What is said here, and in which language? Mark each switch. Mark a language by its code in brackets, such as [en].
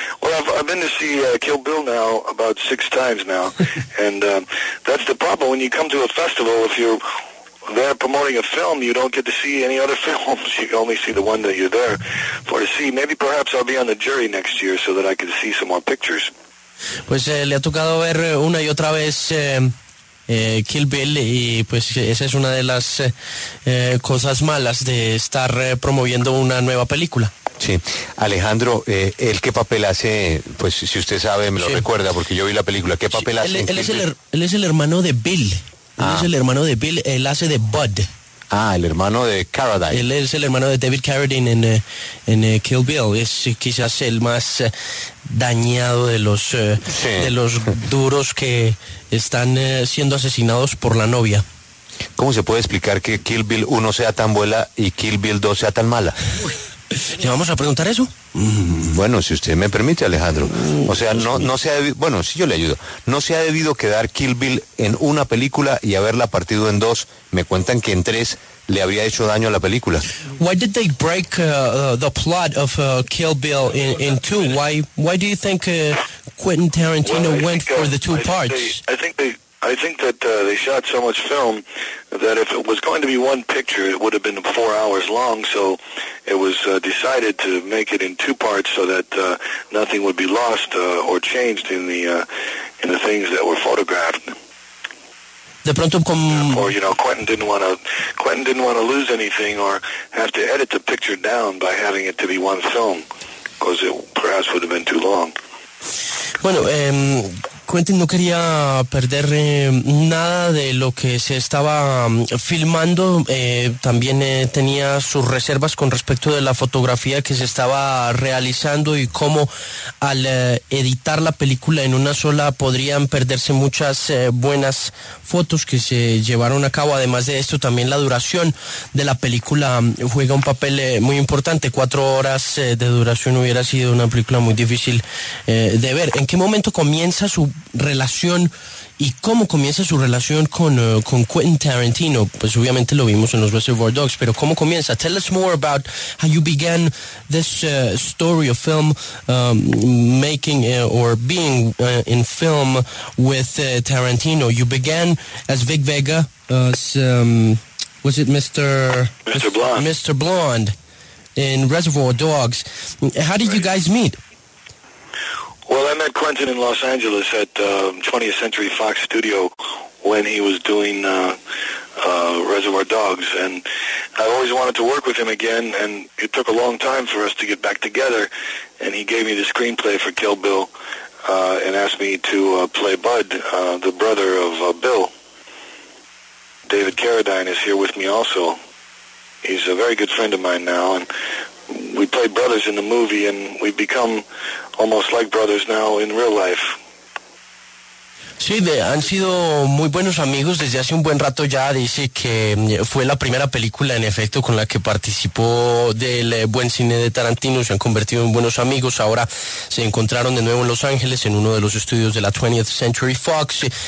[en] Well, I've been to see Kill Bill now about 6 times now. And that's the problem. When you come to a festival, if you're there promoting a film, you don't get to see any other films. You only see the one that you're there for to see. Maybe perhaps I'll be on the jury next year so that I can see some more pictures. [es] Pues le ha tocado ver una y otra vez Kill Bill, y pues esa es una de las cosas malas de estar promoviendo una nueva película. Sí, Alejandro, ¿el qué papel hace? Pues si usted sabe, me lo recuerda, porque yo vi la película. ¿Qué papel hace? Él es el hermano de Bill, él hace de Bud. Ah, el hermano de Carradine. Él es el hermano de David Carradine en Kill Bill. Es quizás el más dañado de los de los duros que están siendo asesinados por la novia. ¿Cómo se puede explicar que Kill Bill 1 sea tan buena y Kill Bill 2 sea tan mala? ¿Le vamos a preguntar eso? Bueno, si usted me permite, Alejandro. O sea, no se ha debido... Bueno, sí, yo le ayudo. No se ha debido quedar Kill Bill en una película y haberla partido en dos. Me cuentan que en tres le habría hecho daño a la película. [en] Why did they break the plot of Kill Bill in two? Why do you think Quentin Tarantino went for the two parts? I think that they shot so much film that if it was going to be one picture, it would have been 4 hours long, so it was decided to make it in two parts so that nothing would be lost or changed in the things that were photographed. [es] De pronto [en] Quentin didn't want to lose anything or have to edit the picture down by having it to be one film, because it perhaps would have been too long. [es] Bueno, Quentin no quería perder nada de lo que se estaba filmando. También tenía sus reservas con respecto de la fotografía que se estaba realizando y cómo al editar la película en una sola podrían perderse muchas buenas fotos que se llevaron a cabo. Además de esto, también la duración de la película juega un papel muy importante. 4 horas de duración hubiera sido una película muy difícil de ver. ¿En qué momento comienza su relación y cómo comienza su relación con Quentin Tarantino? Pues obviamente lo vimos en los Reservoir Dogs, pero ¿cómo comienza? [en] Tell us more about how you began this story of film making or being in film with Tarantino. You began as Vic Vega, as was it Mr. Blonde in Reservoir Dogs. How did you guys meet? Well, I met Quentin in Los Angeles at 20th Century Fox Studio when he was doing Reservoir Dogs, and I always wanted to work with him again, and it took a long time for us to get back together, and he gave me the screenplay for Kill Bill and asked me to play Bud, the brother of Bill. David Carradine is here with me also. He's a very good friend of mine now, and we played brothers in the movie, and we've become almost like brothers now in real life. [es] Sí, han sido muy buenos amigos desde hace un buen rato ya. Dice que fue la primera película, en efecto, con la que participó del buen cine de Tarantino. Se han convertido en buenos amigos. Ahora se encontraron de nuevo en Los Ángeles, en uno de los estudios de la 20th Century Fox.